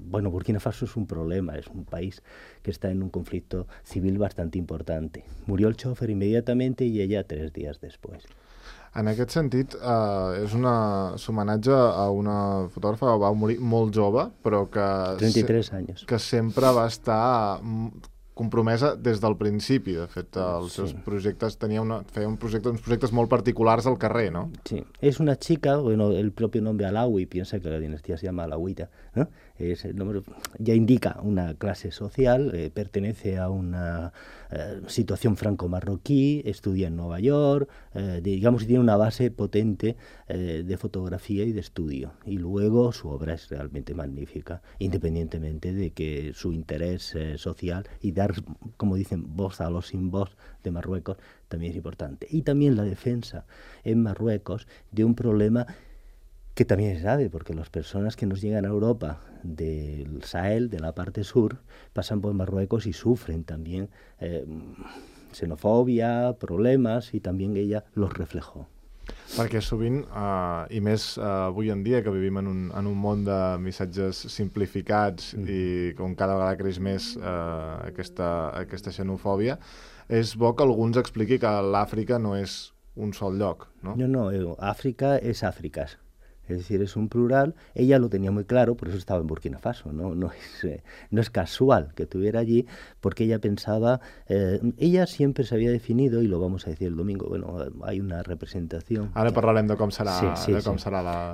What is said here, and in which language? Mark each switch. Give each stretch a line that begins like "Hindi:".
Spanish: Burkina Faso es un problema, es un país que está en un conflicto civil bastante importante. Murió el chofer inmediatamente y ella tres días después.
Catalan: En aquest sentit, és un homenatge a una fotògrafa que va morir molt jove, però que... 33 anys. Que sempre va estar compromesa des del principi. De fet, els seus projectes uns projectes molt particulars al carrer, no? Sí. És una xica, el propi nom de Alaoui, pensa que la dinastia
Spanish: se llama Alaouita, ¿no? Es el nombre, ya indica una clase social, pertenece a una situación franco-marroquí, estudia en Nueva York, digamos que tiene una base potente de fotografía y de estudio. Y luego su obra es realmente magnífica, independientemente de que su interés social y dar, como dicen, voz a los sin voz de Marruecos también es importante. Y también la defensa en Marruecos de un problema que también es grave, porque las personas que nos llegan a Europa del Sahel, de la parte sur, pasan por Marruecos y sufren también xenofobia, problemas, y también ella los reflejó.
Catalan: Perquè sovint, i més avui en dia, que vivim en un món de missatges simplificats i com cada vegada creix més aquesta xenofòbia, és bo que algú ens expliqui que l'Àfrica no és un sol lloc, no?
Spanish: No,
Catalan: Àfrica és Àfrica.
Spanish: Es decir, es un plural. Ella lo tenía muy claro, por eso estaba en Burkina Faso. No es casual que estuviera allí, porque ella pensaba... ella siempre se había definido, y lo vamos a decir el domingo, bueno, hay una representación... Ahora hablaremos de cómo será, será la...